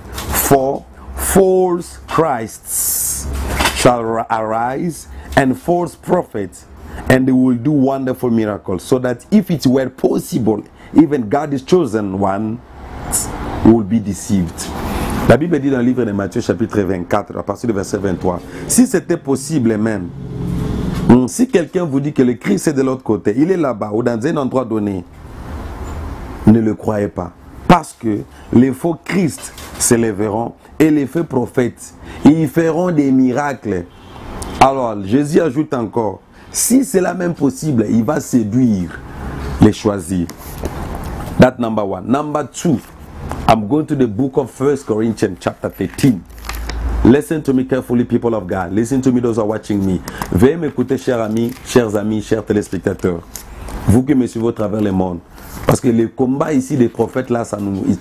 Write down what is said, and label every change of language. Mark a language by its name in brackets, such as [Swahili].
[English] For false Christs shall arise and false prophets, and they will do wonderful miracles, so that if it were possible, even God's chosen one will be deceived. [French] La Bible dit dans le livre de Matthieu, chapitre 24, à partir du verset 23, si c'était possible même, si quelqu'un vous dit que le Christ est de l'autre côté, il est là-bas ou dans un endroit donné, ne le croyez pas. Parce que les faux Christ s'élèveront et les faux prophètes, ils feront des miracles. Alors, Jésus ajoute encore, si c'est là même possible, il va séduire les choisis. [English] That number one. Number two. I'm going to the book of 1 Corinthians chapter 13. Listen to me carefully, people of God. Listen to me, those who are watching me. [French] Veuillez m'écouter, chers amis, chers téléspectateurs. Vous qui me suivez au travers le monde. Parce que le combat ici des prophètes, là, ça nous...